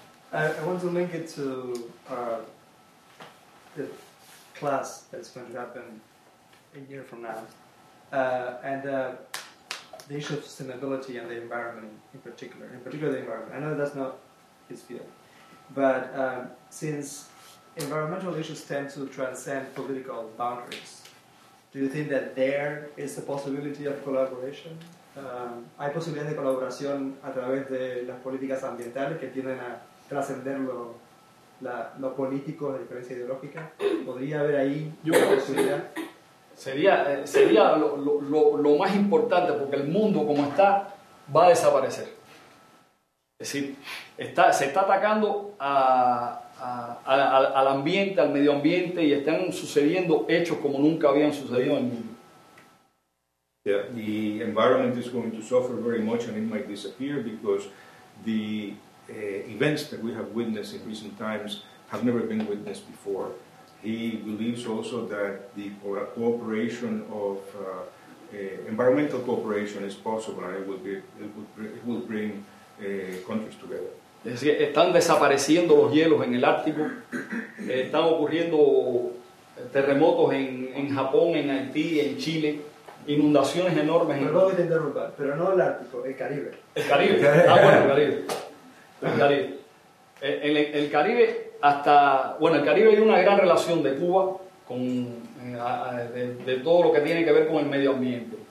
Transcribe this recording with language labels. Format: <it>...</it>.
<en>I want to link it to the class that's going to happen a year from now, the issue of sustainability and the environment in particular the environment. I know that's not his field, but since environmental issues tend to transcend political boundaries, do you think that there is a possibility of collaboration?</en> <es>¿Hay posibilidades de colaboración a través de las políticas ambientales que tienden a trascender lo político, la diferencia ideológica? ¿Podría haber ahí una posibilidad? Sería lo más importante, porque el mundo como está va a desaparecer. Es decir, se está atacando al ambiente, al medio ambiente, y están sucediendo hechos como nunca habían sucedido en el mundo.</es> <en>Yeah, the environment is going to suffer very much and it might disappear because the events that we have witnessed in recent times have never been witnessed before. He believes also that the cooperation of environmental cooperation is possible and it will bring countries together.</en> <es>Es decir, están desapareciendo los hielos en el Ártico, están ocurriendo terremotos en Japón, en Haití, en Chile. Inundaciones enormes. Me voy a interrumpir, pero no el Ártico, el Caribe. El Caribe, el Caribe, el Caribe hay una gran relación de Cuba con de todo lo que tiene que ver con el medio ambiente.</es>